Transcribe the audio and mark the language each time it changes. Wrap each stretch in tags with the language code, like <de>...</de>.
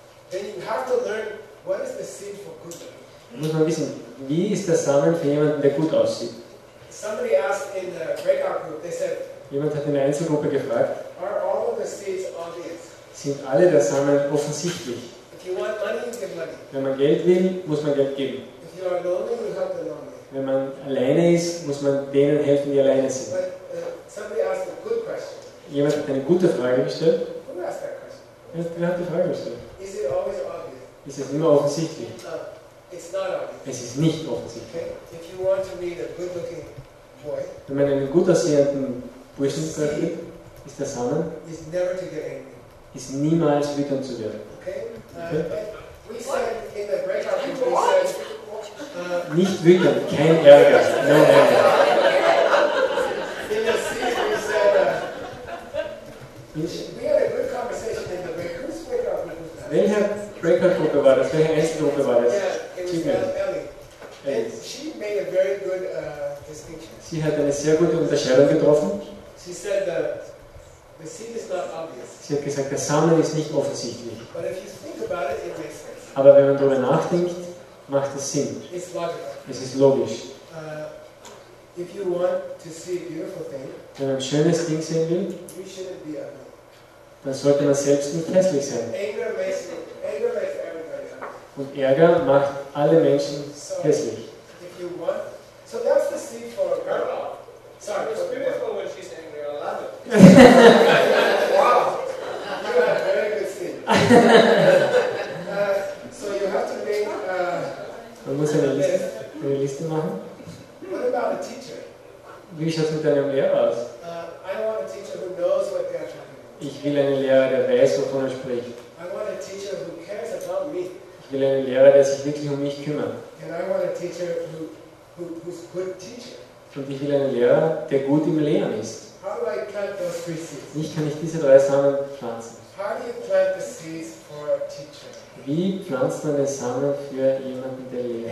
<en>Then you have to learn what is the seed for good looking.</en> <de>Muss man wissen, wie ist der Samen für jemanden, der gut aussieht?</de> <en>Somebody asked in the breakout group. They said.</en> <de>Jemand hat in der Einzelgruppe gefragt.</de> <en>Are all of the seeds obvious?</en> <de>Sind alle der Samen offensichtlich?</de> <en>If you want money, give money.</en> <de>Wenn man Geld will, muss man Geld geben.</de> <en>If you are lonely, you help the lonely.</en> <de>Wenn man alleine ist, muss man denen helfen, die alleine sind.</de> <en>But, somebody asked a good question.</en> <de>Jemand hat eine gute Frage gestellt.</de> <en>Who asked that question?</en> <de>Wer hat die Frage gestellt?</de> <en>Is it always obvious?</en> <de>Ist es immer offensichtlich?</de> <en>It's not obvious.</en> <de>Es ist nicht offensichtlich.</de> <en>Okay. If you want to meet a good-looking boy,</en> <de>wenn man einen gut aussehenden Burschen trifft, ist der Samen</de> <en>is never to get angry.</en> <de>Ist niemals wütend zu werden.</de> <en>Okay. Okay. In the breakout group, we said,</en> <de>nicht wütend, kein Ärger,</de> <en>no anger. In the seat, we said, we had a good conversation in the breakout group.</en> <de>Welche breakout group war das? Welche Einzelgruppe war das?</de> <en>Yeah, it was Ellie. She made a very good distinction.</en> <de>Sie hat eine sehr gute Unterscheidung getroffen.</de> <en>She said that the seed is not obvious.</en> <de>Sie hat gesagt, der Samen ist nicht offensichtlich.</de> <en>But if you think about it, it makes sense.</en> <de>Aber wenn man darüber nachdenkt, macht es Sinn.</de> <en>It's logical.</en> <de>Es ist logisch.</de> <en>If you want to see a beautiful thing,</en> <de>wenn man ein schönes Ding sehen will,</de> <en>you shouldn't be ugly.</en> <de>Dann sollte man selbst nicht hässlich sein.</de> <en>Anger makes everybody ugly.</en> <de>Und Ärger macht alle Menschen hässlich.</de> <en>If you want, so that's the seed for a girl. Sorry, it's beautiful when she's angry. I love it. Wow! You have very good scene. So you have to make</en> <de>Man muss eine Liste machen.</de> <en>What about a teacher?</en> <de>Wie schaut es mit deinem Lehrer aus?</de> <en>I want a teacher who knows what they are talking about.</en> <de>Ich will einen Lehrer, der weiß, wovon er spricht.</de> <en>I want a teacher who cares about me.</en> <de>Ich will einen Lehrer, der sich wirklich um mich kümmert.</de> <en>And I want a teacher who's a good teacher.</en> <de>Und ich will einen Lehrer, der gut im Lehren ist.</de> <en>How do I plant those three seeds?</en> <de>Wie kann ich diese drei Samen pflanzen?</de> <en>How do you plant the seeds for a teacher?</en> <de>Wie pflanzt man den Samen für jemanden, der lehrt?</de>